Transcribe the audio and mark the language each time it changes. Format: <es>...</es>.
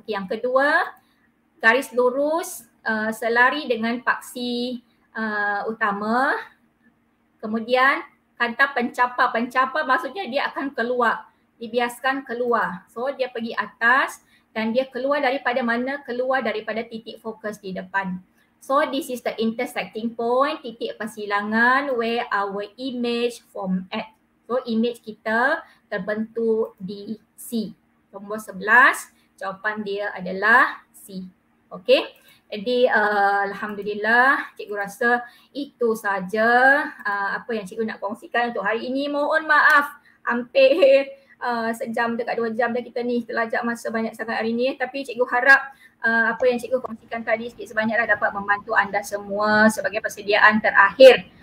<ms>Okay, yang kedua, garis lurus selari dengan paksi utama. Kemudian kanta pencapah, pencapah maksudnya dia akan keluar, dibiaskan keluar. So dia pergi atas dan dia keluar daripada mana? Keluar daripada titik fokus di depan.</ms> <en>So this is the intersecting point, titik persilangan where our image form at.</en> <ms>So image kita terbentuk di C. Nombor 11, jawapan dia adalah C. Okay. Jadi alhamdulillah cikgu rasa itu saja apa yang cikgu nak kongsikan untuk hari ini. Mohon maaf hampir sejam dekat dua jam dah kita ni terlajak masa banyak sangat hari ini, tapi cikgu harap apa yang cikgu kongsikan tadi sikit sebanyaklah dapat membantu anda semua sebagai persediaan terakhir.</ms>